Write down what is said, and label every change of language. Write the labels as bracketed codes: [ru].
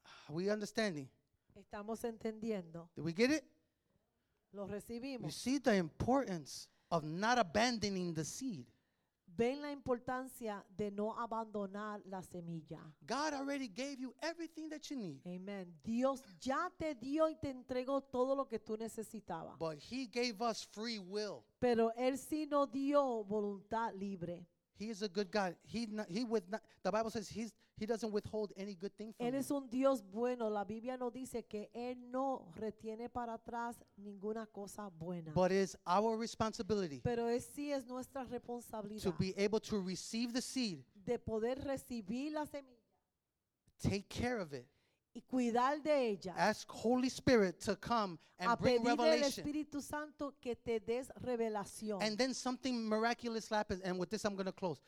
[en] We understanding? [es] Estamos entendiendo. [en] Did we get it? [es] Lo recibimos. [en] You see the importance of not abandoning the seed. [es] Ven la importancia de no abandonar la semilla. [en] God already gave you everything that you need. Amen. [es] Dios ya te dio y te entregó todo lo que tú necesitabas. [en] But he gave us free will. [es] Pero él sí nos dio voluntad libre. [en] He is a good God. The Bible says he doesn't withhold any good thing from [es] él es un Dios bueno. La Biblia nos dice que él no retiene para atrás ninguna cosa buena. [en] But it's our responsibility. [es] Pero es sí es nuestra responsabilidad. [en] To be able to receive the seed. [es] De poder recibir la semilla. [en] Take care of it. [es] Y cuidar de ella. [en] Ask Holy Spirit to come and bring revelation. [es] Pedirle al Espíritu Santo que te des revelación. [en] And then something miraculous happens, and with this I'm going to close.